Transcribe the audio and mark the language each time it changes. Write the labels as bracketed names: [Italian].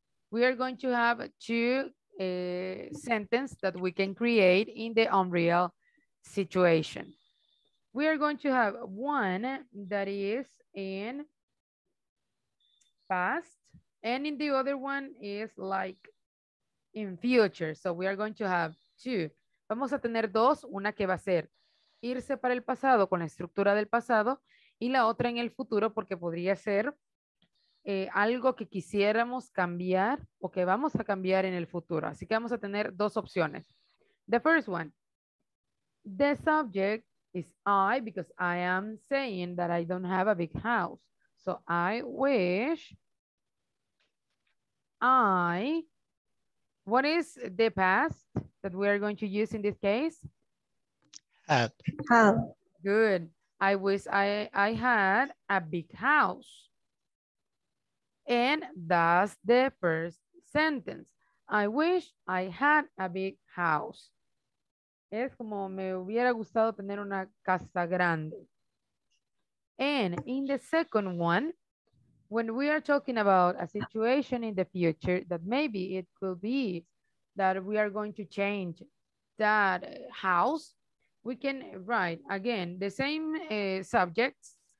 [English] We are going to have two sentences that we can create in the unreal situation. We are going to have one that is in past, and in the other one is like in future. So we are going to have two. [Spanish] Vamos a tener dos, una que va a ser irse para el pasado con la estructura del pasado y la otra en el futuro porque podría ser algo que quisiéramos cambiar o que vamos a cambiar en el futuro. Así que vamos a tener dos opciones. [English] The first one. The subject is I, because I am saying that I don't have a big house. So I wish I, what is the past that we are going to use in this case? Had. Good. I wish I had a big house. And that's the first sentence. I wish I had a big house. [Spanish] Es como me hubiera gustado tener una casa grande. [English] And in the second one, when we are talking about a situation in the future that maybe it could be that we are going to change that house, we can write again the same subjects.